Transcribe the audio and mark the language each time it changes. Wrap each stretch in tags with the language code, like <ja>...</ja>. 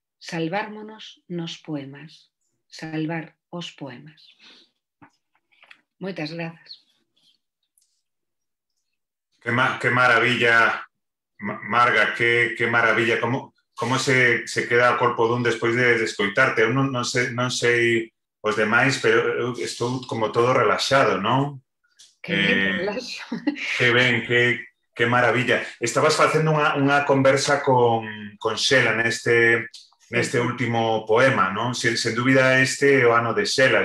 <gl>Salvármonos nos poemas. Salvar os poemas. Moitas grazas.</gl> <es>Qué maravilla, Marga, qué maravilla.</es> <gl>Como se queda o corpo dun despois de escoitarte? Eu non sei os demais, pero eu estou como todo relaxado, non?</gl> <es>Que bien, relaxo.</es> <gl>Que ben, que maravilla. Estabas facendo unha conversa con Xela neste último poema, non? Sen dúbida, este é o ano de Xela.</gl>